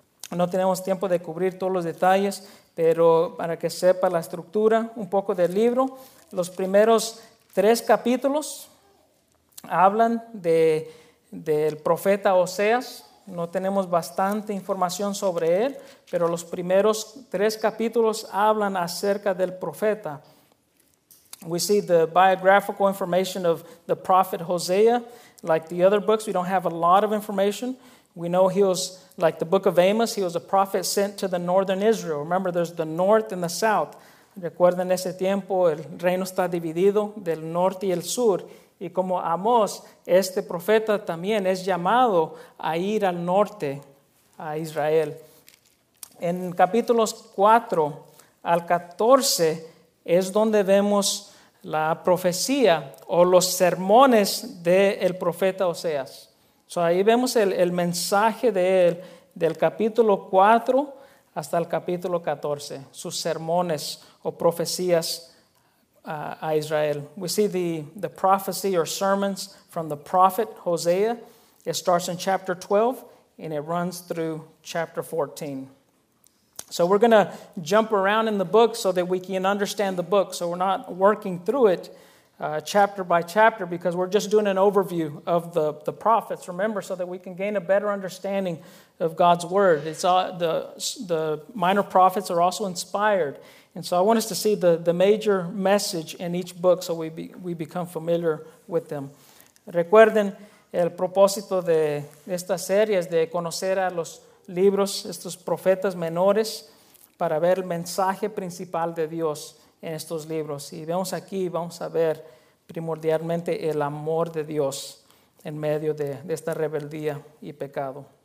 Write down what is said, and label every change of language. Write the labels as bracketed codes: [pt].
[es] No tenemos tiempo de cubrir todos los detalles, pero para que sepa la estructura un poco del libro, los primeros tres capítulos hablan del profeta Oseas. No tenemos bastante información sobre él, pero los primeros tres capítulos hablan acerca del profeta. [en] We see the biographical information of the prophet Hosea. Like the other books, we don't have a lot of information. We know he was, like the book of Amos, he was a prophet sent to the northern Israel. Remember, there's the north and the south. [es] Recuerden ese tiempo, el reino está dividido del norte y el sur. Y como Amos, este profeta también es llamado a ir al norte, a Israel. En capítulos 4 al 14 es donde vemos la profecía o los sermones del profeta Oseas. So ahí vemos el mensaje de él del capítulo 4 hasta el capítulo 14, sus sermones o profecías a Israel. [en] We see the prophecy or sermons from the prophet Hosea. It starts in chapter 12 and it runs through chapter 14. So we're going to jump around in the book so that we can understand the book. So we're not working through it chapter by chapter, because we're just doing an overview of the prophets, remember, so that we can gain a better understanding of God's word. It's all, the minor prophets are also inspired. And so I want us to see the major message in each book so we become familiar with them. [es] Recuerden, el propósito de esta serie es de conocer a los libros, estos profetas menores, para ver el mensaje principal de Dios en estos libros. Y vemos aquí, vamos a ver primordialmente el amor de Dios en medio de esta rebeldía y pecado.